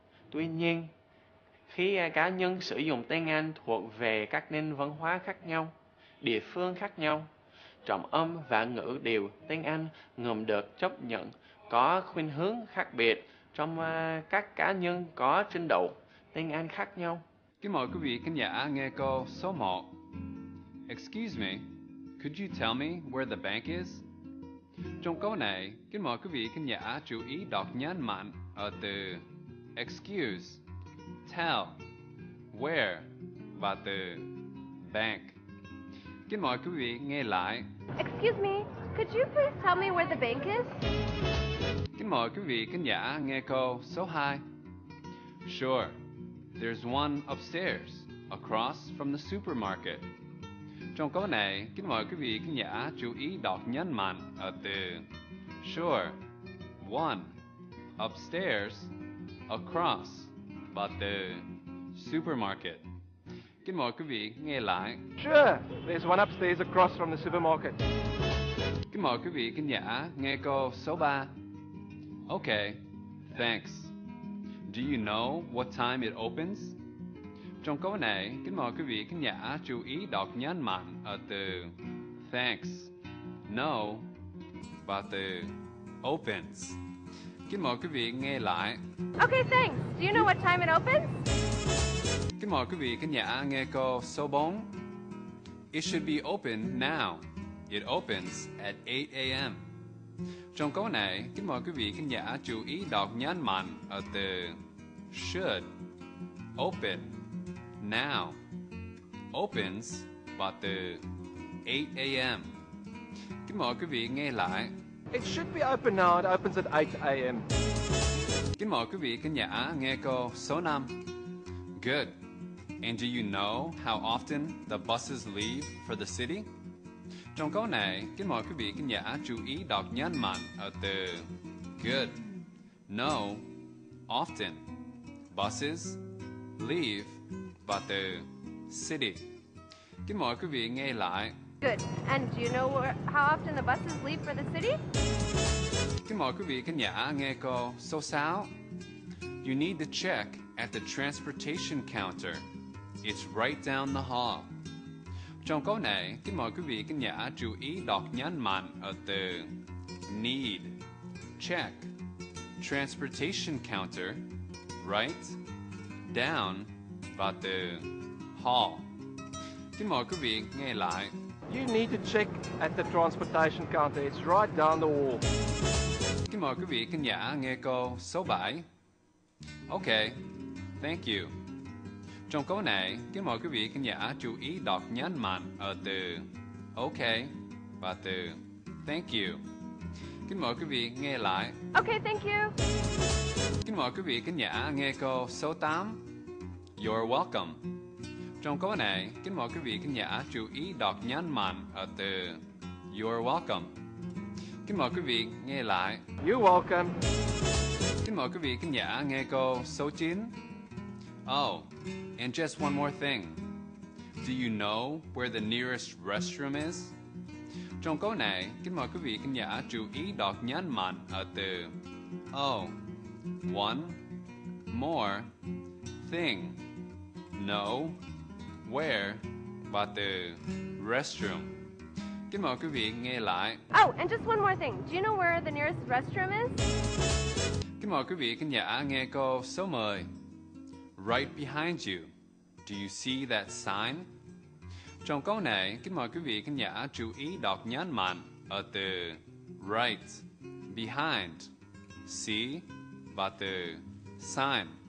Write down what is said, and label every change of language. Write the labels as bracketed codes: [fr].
[vi] Tuy nhiên, khi cá nhân sử dụng tiếng Anh thuộc về các nền văn hóa khác nhau, địa phương khác nhau, trọng âm và ngữ điệu tiếng Anh ngầm được chấp nhận có khuynh hướng khác biệt trong các cá nhân có trình độ tiếng Anh khác nhau. Kính mời quý vị khán giả nghe câu số 1. [en] Excuse me, could you tell me where the bank is? [vi] Trong câu này, kính mời quý vị khán giả chú ý đọc nhấn mạnh ở từ excuse, tell, where và từ bank. Kính mời quý vị nghe lại. [en] Excuse me, could you please tell me where the bank is? [vi] Kính mời quý vị khán giả nghe câu số 2. [en] Sure, there's one upstairs, across from the supermarket. [vi] Trong câu này, kính mời quý vị khán giả chú ý đọc nhấn mạnh ở từ sure, one, upstairs, across, và từ supermarket. Kính mời quý vị nghe lại. [en] Sure, there's one upstairs across from the supermarket. [vi] Kính mời quý vị khán giả nghe câu số 3. [en] Okay, thanks. Do you know what time it opens? [vi] Trong câu này, kính mời quý vị khán giả chú ý đọc nhấn mạnh ở từ thanks, no và từ opens. Kính mời quý vị nghe lại. [en] Okay, thanks. Do you know what time it opens? [vi] Kính mời quý vị khán giả nghe câu số 4. [en] It should be open now. It opens at 8 a.m. [vi] Trong câu này, kính mời quý vị khán giả chú ý đọc nhấn mạnh ở từ should, open, now, opens và từ 8 a.m. Kính mời quý vị nghe lại. [en] It should be open now. It opens at 8 a.m. [vi] Kính mời quý vị khán giả nghe câu số 5. [en] Good. And do you know how often the buses leave for the city? [vi] Trong câu này, kính mời quý vị khán giả chú ý đọc nhấn mạnh ở từ good, no, often, buses, leave và từ city. Kính mời quý vị nghe lại. [en] Good. And do you know how often the buses leave for the city? [vi] Kính mời quý vị khán giả nghe câu số 6. [en] You need to check at the transportation counter. It's right down the hall. [vi] Trong câu này, kính mời quý vị khán giả chú ý đọc nhấn mạnh ở từ need, check, transportation counter, right, down và từ hall. Kính mời quý vị nghe lại. [en] You need to check at the transportation counter. It's right down the hall. [vi] Kính mời quý vị khán giả nghe câu số 7. [en] Okay, thank you. [vi] Trong câu này, kính mời quý vị khán giả chú ý đọc nhấn mạnh ở từ OK và từ Thank you. Kính mời quý vị nghe lại. [en] OK, thank you. [vi] Kính mời quý vị khán giả nghe câu số 8. [en] You're welcome. [vi] Trong câu này, kính mời quý vị khán giả chú ý đọc nhấn mạnh ở từ You're welcome. Kính mời quý vị nghe lại. [en] You're welcome. [vi] Kính mời quý vị khán giả nghe câu số 9. [en] Oh, and just one more thing. Do you know where the nearest restroom is? [vi] Trong câu này, kính mời quý vị khán giả chú ý đọc nhấn mạnh ở từ Oh, one, more, thing, no, where, và từ restroom. Kính mời quý vị nghe lại. [en] Oh, and just one more thing. Do you know where the nearest restroom is? [vi] Kính mời quý vị khán giả nghe câu số 10. [en] Right behind you. Do you see that sign? [vi] Trong câu này, kính mời quý vị khán giả chú ý đọc nhấn mạnh ở từ right, behind, see và từ sign.